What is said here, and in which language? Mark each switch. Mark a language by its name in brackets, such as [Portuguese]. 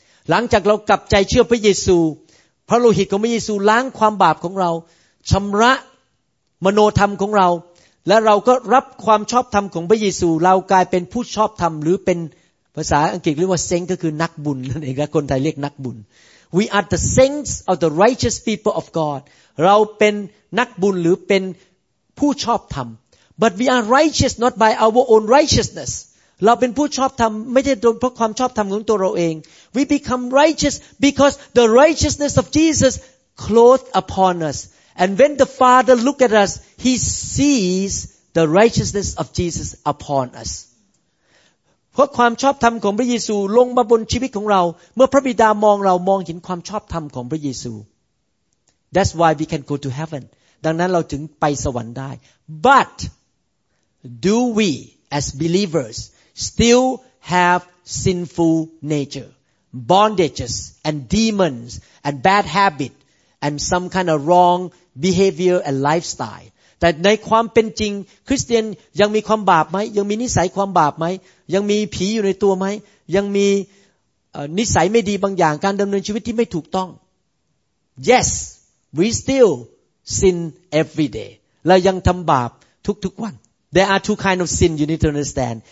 [Thai] หลังจากเรากลับใจเชื่อพระเยซูพระโลหิตของพระเยซูล้างความบาปของเราชำระมโนธรรมของเราและเราก็รับความชอบธรรมของพระเยซูเรากลายเป็นผู้ชอบธรรมหรือเป็นภาษาอังกฤษเรียกว่า saint ก็คือนักบุญนั่นเองคนไทยเรียกนักบุญ [English] We are the saints of the righteous people of God [Thai] เราเป็นนักบุญหรือเป็น ผู้ชอบธรรม [English] But we are righteous not by our own righteousness [Thai] เราเป็นผู้ชอบธรรมไม่ได้โดนเพราะความชอบธรรมของตัวเราเอง [English] We become righteous because the righteousness of Jesus clothed upon us. And when the Father look at us, He sees the righteousness of Jesus upon us. [Thai] เพราะความชอบธรรมของพระเยซูลงมาบนชีวิตของเราเมื่อพระบิดามองเรามองเห็นความชอบธรรมของพระเยซู [English] That's why we can go to heaven. [Thai] ดังนั้นเราถึงไปสวรรค์ได้ [English] But do we as believers? Still have sinful nature, bondages and demons and bad habit and some kind of wrong behavior and lifestyle. [Thai] แต่ในความเป็นจริงคริสเตียนยังมีความบาปไหมยังมีนิสัยความบาปไหมยังมีผีอยู่ในตัวไหมยังมีนิสัยไม่ดีบางอย่างการดำเนินชีวิตที่ไม่ถูกต้อง [English] Yes, we still sin every day. [Thai] เรายังทำบาปทุกวัน [English] There are two kinds of sin you need to understand.